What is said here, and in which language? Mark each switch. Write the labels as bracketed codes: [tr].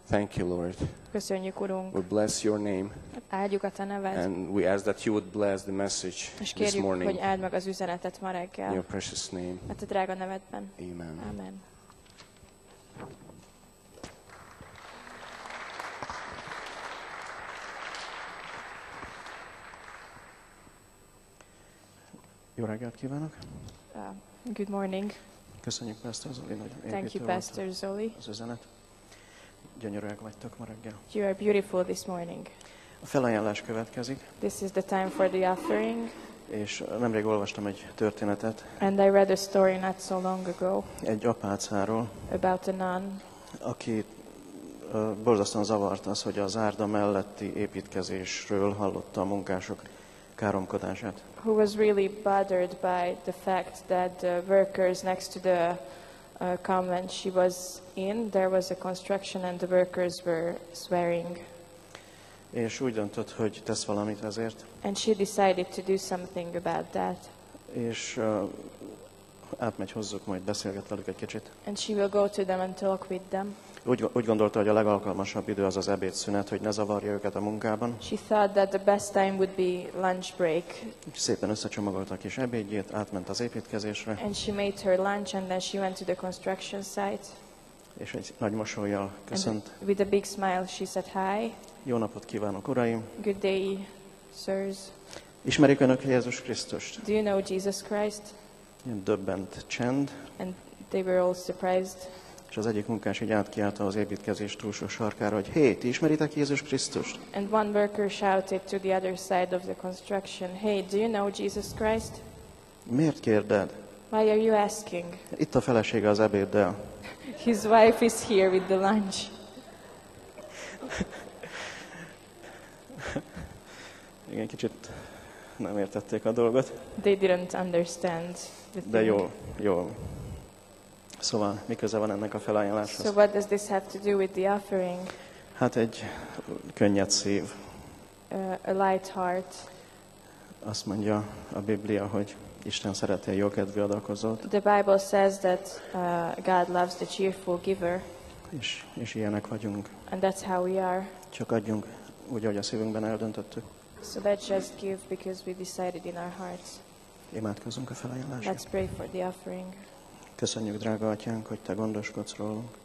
[en] Thank you, Lord. [hu] Köszönjük, Urunk. [en] We bless your name. [hu] Áldjuk a te neved. [en] And we ask that you would bless the message [hu] és kérjük, [en] this morning. [hu] Hogy áld meg az üzenetet ma reggel. [en] In your precious name. [hu] A te drága nevedben. [en] Amen. [hu] Amen. Jó reggelt kívánok. [en] Good morning. [hu] Köszönjük Pastor Zoli, nagyon építő. [en] Thank you Pastor Zoli. [hu] Az üzenet. Gyönyörűek vagytok ma reggel. [en] You are beautiful this morning. [hu] A felajánlás következik. [en] This is the time for the offering. [hu] És nemrég olvastam egy történetet. [en] And I read a story not so long ago. [hu] Egy apácáról. [en] About a nun. [hu] Aki borzasztóan zavart az, hogy az árda melletti építkezésről hallotta a munkások káromkodását. [en] Who was really bothered by the fact that the workers next to the convent she was in, there was a construction and the workers were swearing. [hu] És úgy döntött, hogy tesz valamit ezért. [en] And she decided to do something about that. [hu] És átmegy hozzuk, majd beszélget velük egy kicsit. [en] And she will go to them and talk with them. [hu] Úgy gondolta, hogy a legalkalmasabb idő az az ebédszünet, hogy ne zavarja őket a munkában. [en] She thought that the best time would be lunch break. [hu] Szépen összecsomagolta a kis ebédjét, átment az építkezésre. [en] And she made her lunch and then she went to the construction site. [hu] És egy nagy mosolyjal köszönt. [en] And with a big smile she said hi. [hu] Jó napot kívánok, uraim. [en] Good day, sirs. [hu] Ismerik önök Jézus Krisztust? [en] Do you know Jesus Christ? [hu] Döbbent csend. [en] And they were all surprised. [hu] És az egyik munkás így átkiálta az építkezés túlsó sarkára, hogy hé, ti ismeritek Jézus Krisztust? [en] And one worker shouted to the other side of the construction, hey, do you know Jesus Christ? [hu] Miért kérded? [en] Why are you asking? [hu] Itt a felesége az ebéddel. [en] His wife is here with the lunch. [hu] Igen, kicsit nem értették a dolgot. [en] They didn't understand the thing. [hu] De jó, jó. Szóval, mi köze van ennek a felajánláshoz? [en] So what does this have to do with the offering? [hu] Hát egy könnyed szív. [en] A light heart. [hu] Azt mondja a Biblia, hogy Isten szereti a jókedvű adakozót. [en] The Bible says that God loves the cheerful giver. [hu] És ilyenek vagyunk. [en] And that's how we are. [hu] Csak adjunk úgy, ahogy a szívünkben eldöntöttük. [en] So let's just give because we decided in our hearts. [hu] Imádkozunk a felajánlásra. [en] Let's pray for the offering. [hu] Köszönjük, drága atyánk, hogy te gondoskodsz rólunk.